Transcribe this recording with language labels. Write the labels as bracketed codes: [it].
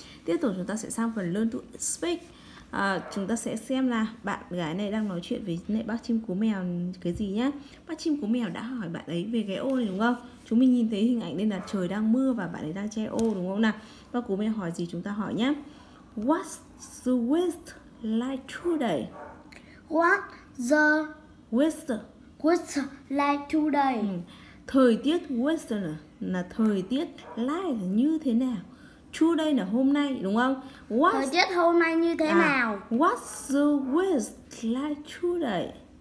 [vi] Tiếp tục chúng ta sẽ sang phần [en] learn to speak. [vi] Chúng ta sẽ xem là bạn gái này đang nói chuyện với mẹ bác chim cú mèo cái gì nhé. Bác chim cú mèo đã hỏi bạn ấy về cái ô này, đúng không? Chúng mình nhìn thấy hình ảnh nên là trời đang mưa và bạn ấy đang che ô, đúng không nào? Bác cú mèo hỏi gì chúng ta hỏi nhé. [en] What's the weather like today? What's the weather? Weather like today. [vi] Thời tiết weather là thời tiết, like là như thế nào? Today là hôm nay, đúng không? [en] What's... [vi] thời tiết hôm nay như thế nào? [en] What's the weather like today?